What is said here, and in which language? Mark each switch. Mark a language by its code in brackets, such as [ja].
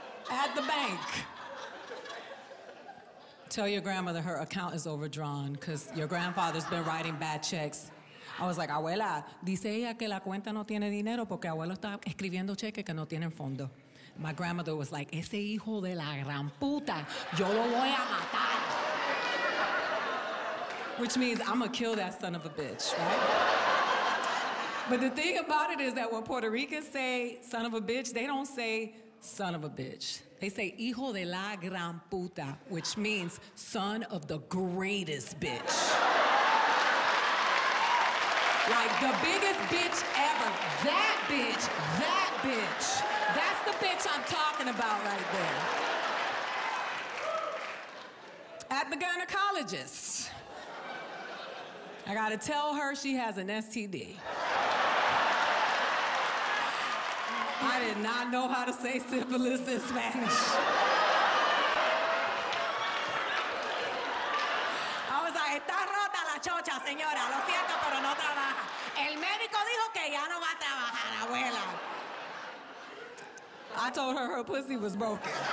[en] At the bank. Tell your grandmother her account is overdrawn because your grandfather's been writing bad checks. I was like, [es] abuela, dice ella que la cuenta no tiene dinero porque abuelo está escribiendo cheques que no tienen fondo. [en] My grandmother was like, [es] ese hijo de la gran puta, yo lo voy a matar. [en] Which means I'm gonna kill that son of a bitch, right? But the thing about it is that when Puerto Ricans say son of a bitch, they don't say son of a bitch. They say [es] hijo de la gran puta, [en] which means son of the greatest bitch. Like the biggest bitch ever. That bitch, that bitch. That's the bitch I'm talking about right there. At the gynecologist, I gotta tell her she has an STD. I did not know how to say syphilis in Spanish. [es] I was like, está rota la chocha, señora. Lo siento, pero no trabaja. El médico dijo que ya no va a trabajar, abuela. [en] I told her her pussy was broken.